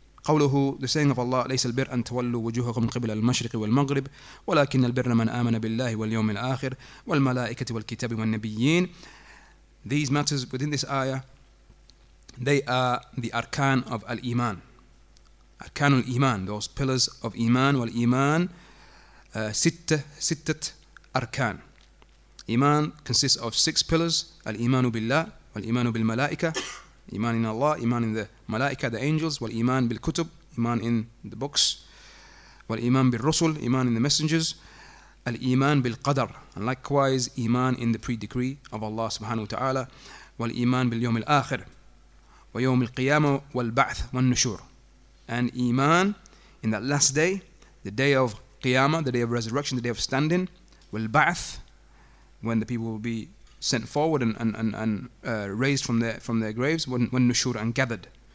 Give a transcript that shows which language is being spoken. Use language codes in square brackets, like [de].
[ar] قوله, [en] the saying of Allah, [ar] ليس البر أن تولوا وجوهكم قبل المشرق والمغرب ولكن البر من آمن بالله واليوم الآخر والملائكة والكتاب والنبيين. [en] These matters within this ayah, they are the arkan of al-Iman. [ar] أركان الإيمان, [en] those pillars of [ar] إيمان, والإيمان ستة أركان. [en] إيمان consists of six pillars. [ar] الإيمان بالله, والإيمان بالملائكة, إيمان [en] in Allah, [ar] إيمان [en] in the [ar] ملائكة, [en] the angels, [ar] والإيمان بالكتب, إيمان [en] in the books, [ar] والإيمان بالرسل, إيمان [en] in the messengers, [ar] الإيمان بالقدر, [en] and likewise إيمان in the pre-decree of Allah [ar] سبحانه وتعالى, والإيمان باليوم الآخر, ويوم القيامة والبعث والنشور. [en] And iman in that last day, the day of qiyamah, the day of resurrection, the day of standing, will ba'ath, when the people will be sent forward and raised from their graves, when nushur and gathered.